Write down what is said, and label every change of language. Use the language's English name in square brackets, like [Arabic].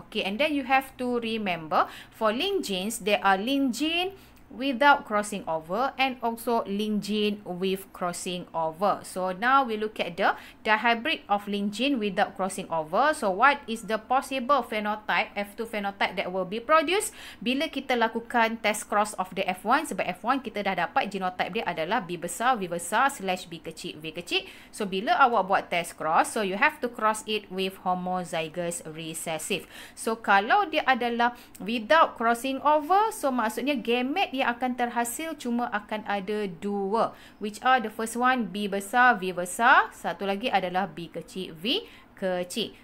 [English] Okay, and then you have to remember, for link genes, there are link gene without crossing over and also link gene with crossing over. So now we look at the dihybrid of link gene without crossing over. So what is the possible phenotype, F2 phenotype that will be produced [Malay] bila kita lakukan [English] test cross of the F1? [Malay] Sebab F1 kita dah dapat genotype dia adalah B besar, V besar, slash B kecil, V kecil. [English] So [Malay] bila awak buat [English] test cross, so you have to cross it with homozygous recessive. [Malay] So kalau dia adalah without crossing over, so maksudnya gamete yang akan terhasil cuma akan ada dua, [English] which are the first one [Malay] B besar, V besar, satu lagi adalah B kecil, V kecil.